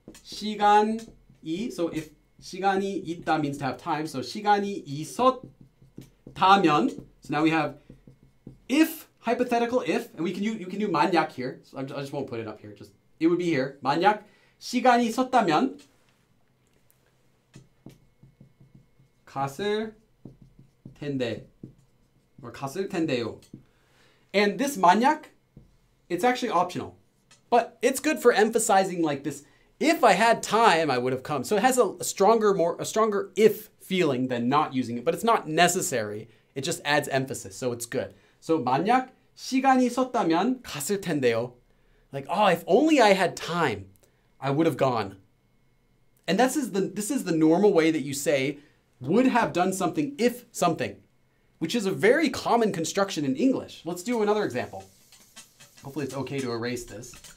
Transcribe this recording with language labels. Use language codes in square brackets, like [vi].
[en] 시간이, so if [ko] 시간이 있다 [en] means to have time, so [ko] 시간이 있었다면, [en] so now we have if, hypothetical if, and we can use, you can do 만약 here, so I just won't put it up here, just it would be here, [ko] 만약 시간이 있었다면 갔을 텐데, [en] or [ko] 갔을 텐데요. [en] And this 만약, it's actually optional, but it's good for emphasizing like this If I had time, I would have come. So it has a stronger if feeling than not using it, but it's not necessary. It just adds emphasis, so it's good. [ko] So 만약 시간이 있었다면 갔을 텐데요. [en] Like, oh, if only I had time, I would have gone. And this is the normal way that you say would have done something if something, which is a very common construction in English. Let's do another example. Hopefully it's okay to erase this.